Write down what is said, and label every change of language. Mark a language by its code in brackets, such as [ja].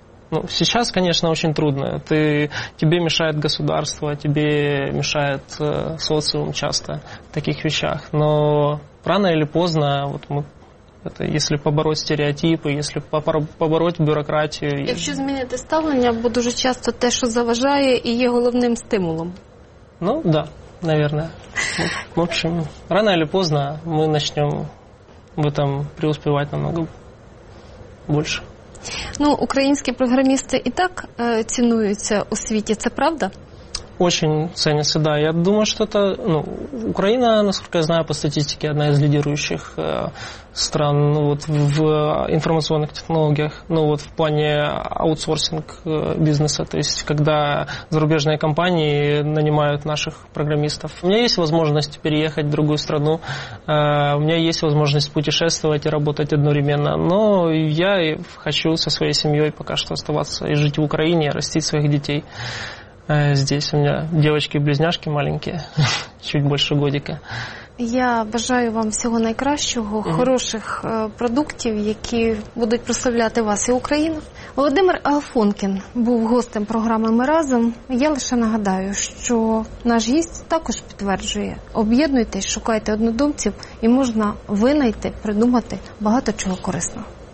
[ru] Ну, сейчас, конечно, очень трудно. Тебе мешает государство, тебе мешает социум часто в таких вещах. Но рано или поздно, вот мы, это, если побороть стереотипы, если побороть бюрократию... [uk] Якщо змінити ставлення, бо дуже часто те, що заважає, і є головним стимулом. [ru] Ну, да, наверное. Ну, в общем, рано или поздно мы начнем в этом преуспевать намного больше. [uk] Ну, українські програмісти і так цінуються у світі, це правда? [ru] Очень ценятся, да. Я думаю, что это, ну, Украина, насколько я знаю, по статистике, одна из лидирующих стран, ну, вот, в информационных технологиях, ну, вот, в плане аутсорсинг бизнеса, то есть, когда зарубежные компании нанимают наших программистов. У меня есть возможность переехать в другую страну, у меня есть возможность путешествовать и работать одновременно, но я хочу со своей семьей пока что оставаться и жить в Украине, и растить своих детей. Здесь у меня девочки-близняшки маленькие, чуть больше годика. [uk] Я бажаю вам всього найкращого, хороших продуктів, які будуть прославляти вас і Україну. Володимир Агафонкін був гостем програми «Ми разом». Я лише нагадаю, що наш гість також підтверджує. Об'єднуйтесь, шукайте однодумців і можна винайти, придумати багато чого корисного.